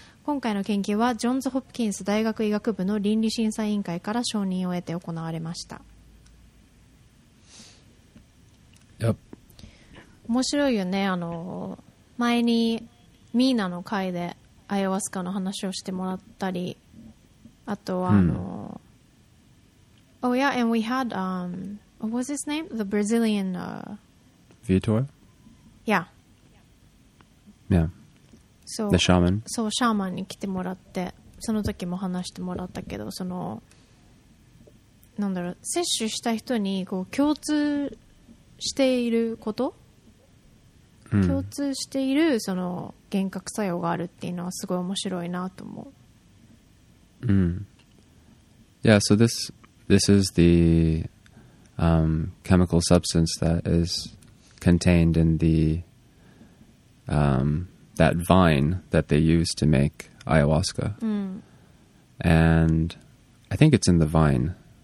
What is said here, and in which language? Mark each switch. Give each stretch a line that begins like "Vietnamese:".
Japanese: 今回の研究はジョンズ・ホプキンス大学医学部の倫理審査委員会から承認を得て行われました。
English: Yep.
Japanese: 面白いよね。あの前にミーナの会でアヤワスカの話をしてもらったり、あとはあの、hmm.
English: Oh yeah, and we had what was his name? The Brazilian Vitor? Yeah. Yeah. So, the shaman.
Japanese: So, shaman に来てもらって、その時も話してもらったけど、その、なんだろう、摂取した人にこう共通していること、 mm. 共通しているその幻覚作用があるっていうのはすごい面白いなと思う。 Mm.
English: Yeah, so this is the chemical substance that is... contained in the that vine that they use to make ayahuasca、 mm. and I think it's in the vine.